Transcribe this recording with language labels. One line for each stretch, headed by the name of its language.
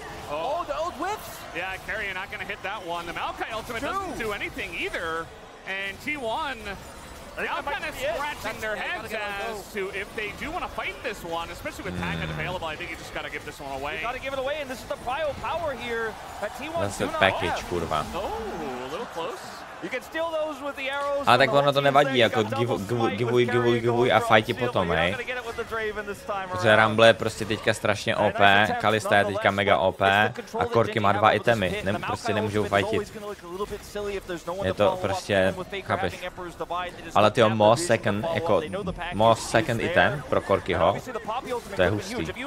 English: Oh, the old whips. Yeah, Carrie, you're not going to hit that one. The Maokai ultimate doesn't do anything either. And T1, now kind of scratching their heads as to if they do want to fight this one, especially with Tangent available. I think you just got to give this one away. You got to give it away, and this is the prio power here at T1. That's a package, kurva. Oh, a little close. You can steal those with the arrows.
Czech: A tak ono to nevadí, jako givuj a fighti potom, hej. Protože Rumble je prostě teďka strašně OP, Kalista je teďka mega OP a Corki má dva itemy, prostě nemůžou fightit. Je to prostě, chápeš. Ale tyjo, more second item pro Corkiho, to je hustý.